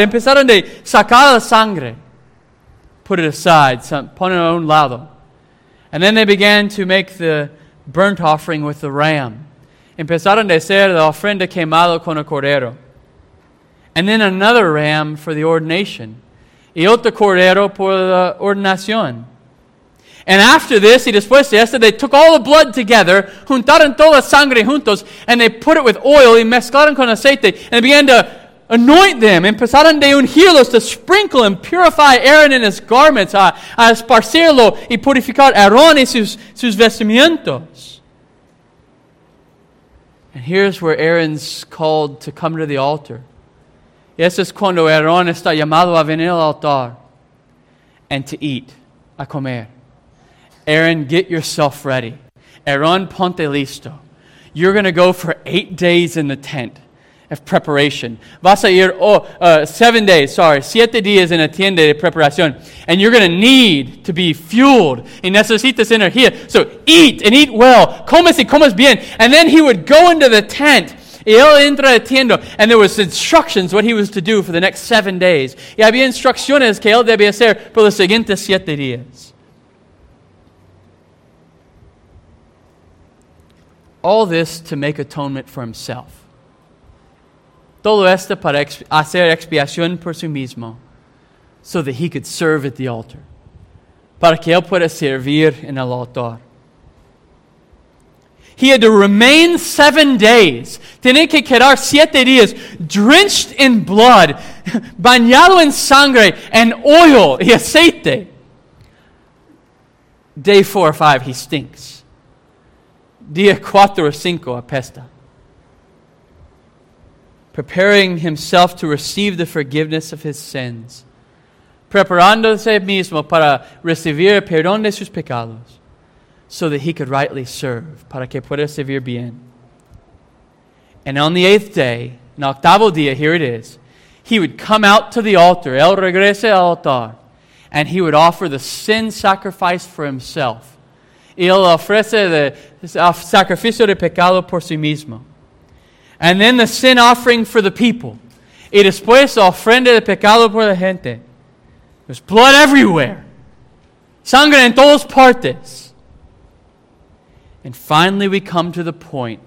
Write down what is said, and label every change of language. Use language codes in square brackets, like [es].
[es] Empezaron de sacar la sangre. [en] Put it aside. [es] Pon it a un lado. [en] And then they began to make the burnt offering with the ram. [es] Empezaron de hacer la ofrenda quemada con el cordero. [en] And then another ram for the ordination. [es] Y otro cordero por la ordenación. [en] And after this, [es] y después de esto, [en] they took all the blood together, [es] juntaron toda la sangre juntos, [en] and they put it with oil [es] y mezclaron con aceite, [en] and began to anoint them. [es] Empezaron de ungirlos, [en] to sprinkle and purify Aaron and his garments, [es] a esparcirlo y purificar Aaron y sus vestimientos. [en] And here's where Aaron's called to come to the altar. [es] Y eso es cuando Aaron está llamado a venir al altar [en] and to eat, [es] a comer. [en] Aaron, get yourself ready. [es] Aaron, ponte listo. [en] You're going to go for 8 days in the tent of preparation. [es] Vas a ir [en] 7 days, sorry, [es] 7 días en la tienda de preparación. [en] And you're going to need to be fueled. [es] Y necesitas energía. [en] So eat and eat well. [es] Comes y comes bien. [en] And then he would go into the tent. [es] Y él entra a tienda. [en] And there was instructions what he was to do for the next 7 days. [es] Y había instrucciones que él debía hacer por los siguientes 7 días. [en] All this to make atonement for himself. [es] Todo esto para hacer expiación por sí mismo, [en] so that he could serve at the altar. [es] Para que él pueda servir en el altar. [en] He had to remain 7 days. [es] Tiene que quedar 7 días [en] drenched in blood, [es] bañado en sangre, [en] and oil [es] y aceite. [en] Day 4 or 5, he stinks. [es] Día 4 o 5, apesta. [en] Preparing himself to receive the forgiveness of his sins. [es] Preparándose mismo para recibir perdón de sus pecados. [en] So that he could rightly serve. [es] Para que pueda servir bien. [en] And on the 8th day, [es] en octavo día, [en] here it is, he would come out to the altar. [es] Él regresa al altar. [en] And he would offer the sin sacrifice for himself. [es] Él ofrece el sacrificio de pecado por sí mismo. [en] And then the sin offering for the people. [es] Y después ofrenda de pecado por la gente. [en] There's blood everywhere. [es] Sangre en todas partes. [en] And finally we come to the point.